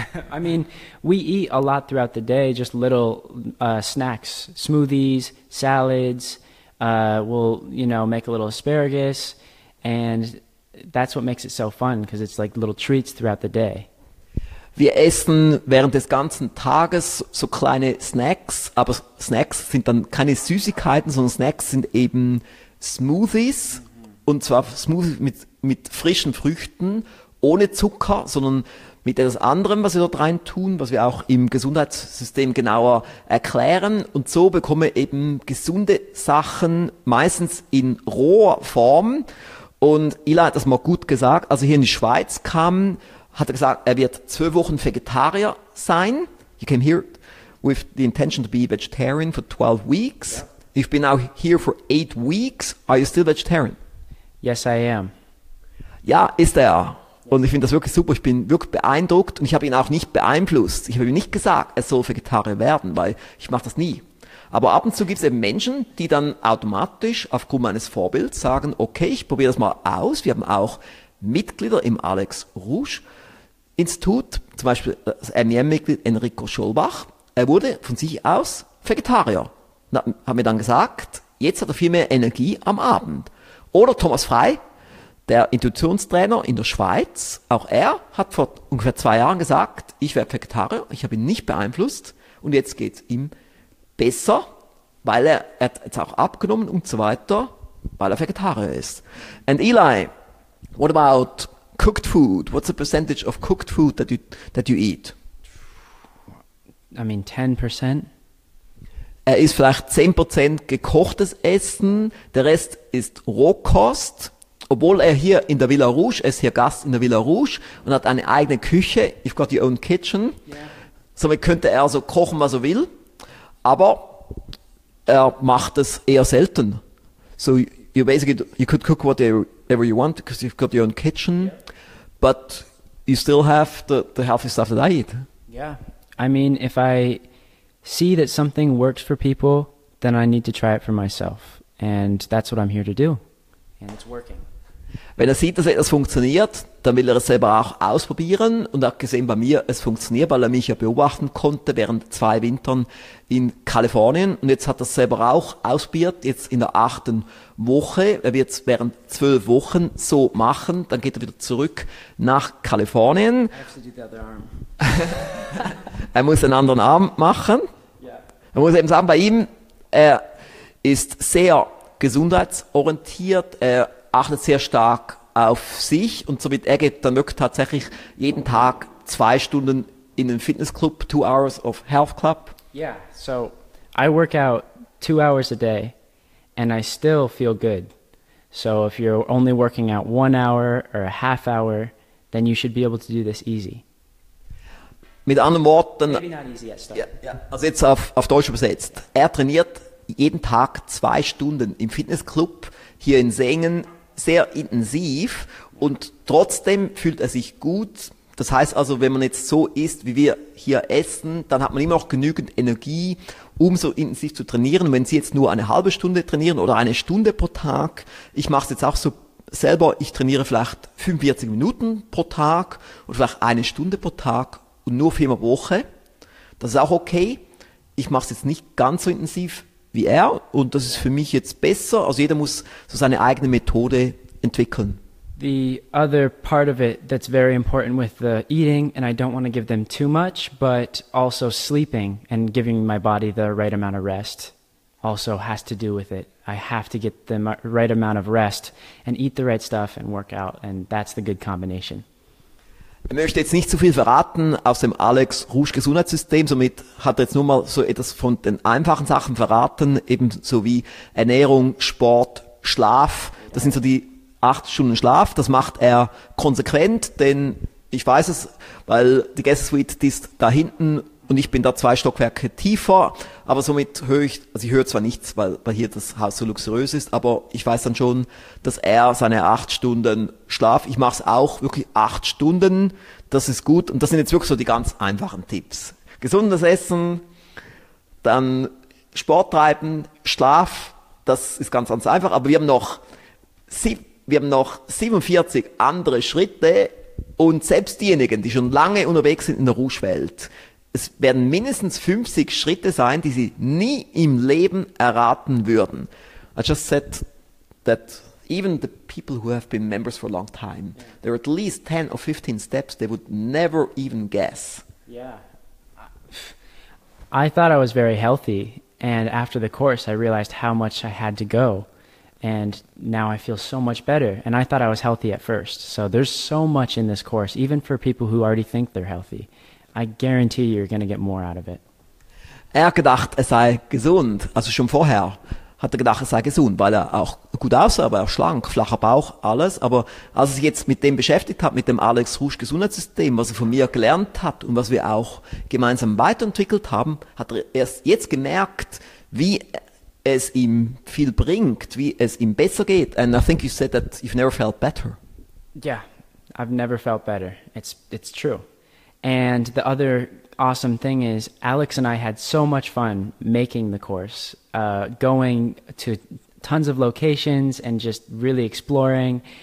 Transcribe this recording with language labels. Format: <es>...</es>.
<en>I mean, we eat a lot throughout the day, just little snacks, smoothies, salads, we'll, you know, make a little asparagus, and that's what makes it so fun, because it's like little treats throughout the day.</en> <de>Wir essen während des ganzen Tages so kleine Snacks, aber Snacks sind dann keine Süßigkeiten, sondern Snacks sind eben Smoothies, und zwar Smoothies mit frischen Früchten, ohne Zucker, sondern mit etwas anderem, was wir dort rein tun, was wir auch im Gesundheitssystem genauer erklären. Und so bekommen wir eben gesunde Sachen, meistens in roher Form. Und Ila hat das mal gut gesagt, als er hier in die Schweiz kam, hat er gesagt, er wird 12 Wochen Vegetarier sein.</de> <en>He came here with the intention to be vegetarian for 12 weeks. Yeah. You've been now here for 8 weeks. Are you still vegetarian? Yes, I am.</en> <de>Ja, ist er. Und ich finde das wirklich super, ich bin wirklich beeindruckt und ich habe ihn auch nicht beeinflusst. Ich habe ihm nicht gesagt, er soll Vegetarier werden, weil ich mache das nie. Aber ab und zu gibt es eben Menschen, die dann automatisch aufgrund meines Vorbilds sagen, okay, ich probiere das mal aus. Wir haben auch Mitglieder im Alex Rouge Institut, zum Beispiel das MEM-Mitglied Enrico Scholbach. Er wurde von sich aus Vegetarier. Hat mir dann gesagt, jetzt hat er viel mehr Energie am Abend. Oder Thomas Frey, der Intuitionstrainer in der Schweiz, auch er hat vor ungefähr 2 Jahren gesagt, ich werde Vegetarier, ich habe ihn nicht beeinflusst und jetzt geht es ihm besser, weil er hat jetzt auch abgenommen und so weiter, weil er Vegetarier ist.</de> <en>And Eli, what about cooked food? What's the percentage of cooked food that you eat? I mean 10%.</en> <de>Er isst vielleicht 10% gekochtes Essen, der Rest ist Rohkost. Obwohl er hier in der Villa Rouge, er ist hier Gast in der Villa Rouge und hat eine eigene Küche,</de> <en>you've got your own kitchen. Yeah.</en> <de>Somit könnte er so kochen, was er will, aber er macht es eher selten.</de> <en>So you basically, you could cook whatever you want, because you've got your own kitchen, yeah. But you still have the healthy stuff that I eat. Yeah, I mean, if I see that something works for people, then I need to try it for myself. And that's what I'm here to do. And it's working.</en> <de>Wenn er sieht, dass etwas funktioniert, dann will er es selber auch ausprobieren und hat gesehen, bei mir es funktioniert, weil er mich ja beobachten konnte während 2 Wintern in Kalifornien und jetzt hat er es selber auch ausprobiert, jetzt in der 8. Woche, er wird es während 12 Wochen so machen, dann geht er wieder zurück nach Kalifornien. Er muss einen anderen Arm machen.</de> <en>Yeah.</en> <de>Er muss eben sagen, bei ihm, er ist sehr gesundheitsorientiert, er achtet sehr stark auf sich und somit er geht dann wirklich tatsächlich jeden Tag 2 Stunden in den Fitnessclub,</de> <en>2 hours of health club. Yeah, so I work out 2 hours a day and I still feel good. So if you're only working out 1 hour or a half hour, then you should be able to do this easy.</en> <de>Mit anderen Worten,</de> <en>maybe not easy at start. Yeah.</en> <de>Also jetzt auf Deutsch übersetzt, er trainiert jeden Tag 2 Stunden im Fitnessclub hier in Sengen, sehr intensiv und trotzdem fühlt er sich gut. Das heißt also, wenn man jetzt so isst, wie wir hier essen, dann hat man immer noch genügend Energie, um so intensiv zu trainieren. Wenn Sie jetzt nur eine halbe Stunde trainieren oder 1 Stunde pro Tag, ich mache es jetzt auch so selber, ich trainiere vielleicht 45 Minuten pro Tag und vielleicht 1 Stunde pro Tag und nur 4 Mal pro Woche. Das ist auch okay. Ich mache es jetzt nicht ganz so intensiv wie er, und das ist für mich jetzt besser. Also jeder muss so seine eigene Methode entwickeln.</de> <en>The other part of it that's very important with the eating, and I don't want to give them too much, but also sleeping and giving my body the right amount of rest also has to do with it. I have to get the right amount of rest and eat the right stuff and work out, and that's the good combination.</en> <de>Er möchte jetzt nicht zu viel verraten aus dem Alex Rouge Gesundheitssystem, somit hat er jetzt nur mal so etwas von den einfachen Sachen verraten, ebenso wie Ernährung, Sport, Schlaf. Das sind so die 8 Stunden Schlaf, das macht er konsequent, denn ich weiß es, weil die Guest Suite ist da hinten und ich bin da 2 Stockwerke tiefer, aber somit höre ich, also ich höre zwar nichts, weil hier das Haus so luxuriös ist, aber ich weiß dann schon, dass er seine 8 Stunden Schlaf, ich mache es auch wirklich 8 Stunden, das ist gut. Und das sind jetzt wirklich so die ganz einfachen Tipps. Gesundes Essen, dann Sport treiben, Schlaf, das ist ganz, ganz einfach. Aber wir haben noch 47 andere Schritte und selbst diejenigen, die schon lange unterwegs sind in der Rouge-Welt, es werden mindestens 50 Schritte sein, die Sie nie im Leben erraten würden.</de> <en>I just said that even the people who have been members for a long time, there are at least 10 or 15 steps they would never even guess. Yeah. I thought I was very healthy, and after the course I realized how much I had to go. And now I feel so much better, and I thought I was healthy at first. So there's so much in this course, even for people who already think they're healthy. I guarantee you're going to get more out of it.</en> <de>Er hat gedacht, er sei gesund. Also schon vorher hat er gedacht, er sei gesund, weil er auch gut aussah, aber auch schlank, flacher Bauch, alles. Aber als er sich jetzt mit dem beschäftigt hat, mit dem Alex Rouge Gesundheitssystem, was er von mir gelernt hat und was wir auch gemeinsam weiterentwickelt haben, hat er erst jetzt gemerkt, wie es ihm viel bringt, wie es ihm besser geht.</de> <en>And I think you said that you've never felt better. Yeah, I've never felt better. It's true. And the other awesome thing is Alex and I had so much fun making the course, going to tons of locations and just really exploring.</en>